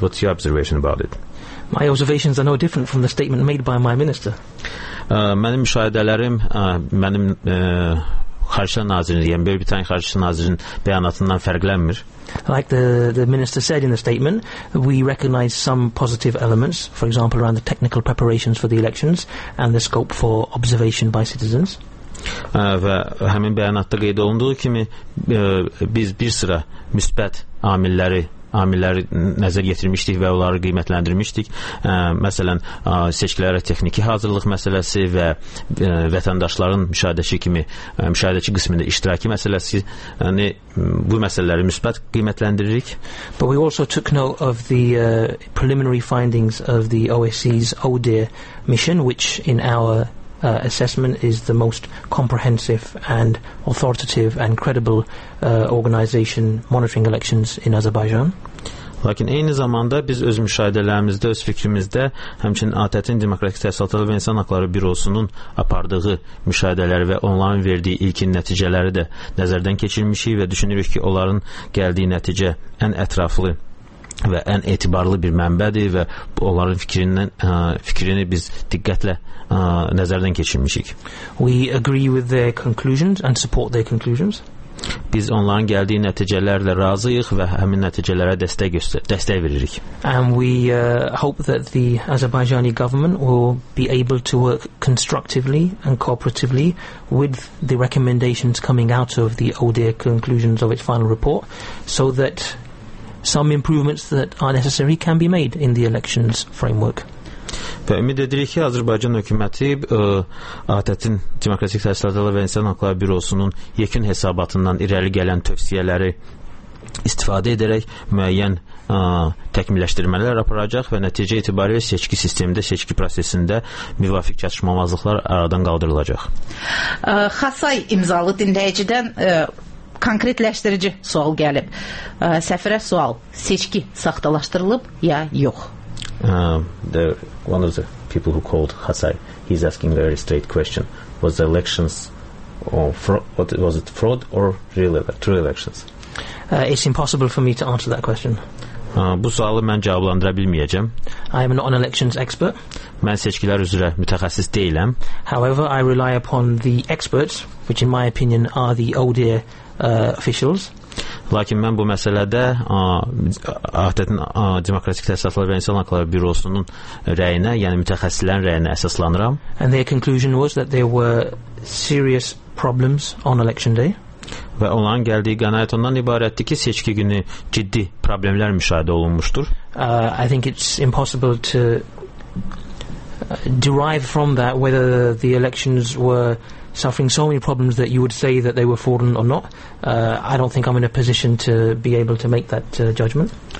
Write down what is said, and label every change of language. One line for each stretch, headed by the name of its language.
English: What's your observation about it? My observations are no different from the statement made by my minister.
Azerbaijani: Mənim müşahidələrim, mənim xarici nazirin, yəni bir tane xarici nazirin bəyanatından fərqlənmir.
English: Like the minister said in the statement, we recognize some positive elements, for example, around the technical preparations for the elections and the scope for observation by citizens.
Azerbaijani: Və həmin bəyanatda qeyd olunduğu kimi, biz bir sıra müsbət amilləri nəzər yetirmişdik və onları qiymətləndirmişdik. Məsələn, seçkilərə texniki hazırlıq məsələsi və vətəndaşların müşahidəçi qismində iştirakı məsələsi, yəni bu məsələləri müsbət qiymətləndiririk.
English: But we also took note of the preliminary findings of the OSCE's ODIHR mission, which in our assessment is the most comprehensive and authoritative and credible organization monitoring elections in Azerbaijan.
Azerbaijani: Lakin eyni zamanda biz öz müşahidələrimizdə, öz fikrimizdə, həmçinin ATƏT-in Demokratik Təhsilatlar və İnsan Haqları Bürosunun apardığı müşahidələri və onların verdiyi ilkin nəticələri də nəzərdən keçirmişik və düşünürük ki, onların gəldiyi nəticə ən ətraflı və ən etibarlı bir mənbədir və onların fikrini biz diqqətlə nəzərdən keçirmişik.
English: We agree with their conclusions and support their conclusions.
Azerbaijani: Biz onların gəldiyi nəticələrlə razıyıq və həmin nəticələrə dəstək veririk.
English: And we hope that the Azerbaijani government will be able to work constructively and cooperatively with the recommendations coming out of the ODIHR conclusions of its final report so that some improvements that are necessary can be made in the elections framework.
Azerbaijani: Və ümid edirik ki, Azərbaycan hökuməti ATƏT-in Demokratik Təhsilatlar və İnsan Haqları Bürosunun yekun hesabatından irəli gələn tövsiyələri istifadə edərək müəyyən təkmilləşdirmələr aparacaq və nəticə itibarilə seçki sistemində, seçki prosesində müvafiq çatışmamazlıqlar aradan qaldırılacaq. Xasay imzalı dinləyicidən konkretləşdirici sual gəlib. Səfərə sual, seçki saxtalaşdırılıb ya yox?
English: One of the people who called Hasai, he's asking a very straight question. Was the elections was it fraud or real true elections? It's impossible for me to answer that question.
Azerbaijani: Bu sualı mən cavablandıra bilməyəcəm.
English: I am not an elections expert.
Azerbaijani: Mən seçkilər üzrə mütəxəssis deyiləm.
English: However, I rely upon the experts, which in my opinion are the ODIHR officials.
Azerbaijani: Lakin mən bu məsələdə ATƏT-in Demokratik Təsərrüfatlar və İnsan Hüquqları Bürosunun rəyinə, yəni mütəxəssislərin rəyinə əsaslanıram.
English: And their conclusion was that there were serious problems on election day.
Azerbaijani: Və onların gəldiyi qənaət ondan ibarətdir ki, seçki günü ciddi problemlər müşahidə olunmuşdur.
English: I think it's impossible to derive from that whether the elections were suffering so many problems that you would say that they were fraudulent or not. I don't think I'm in a position to be able to make that judgment.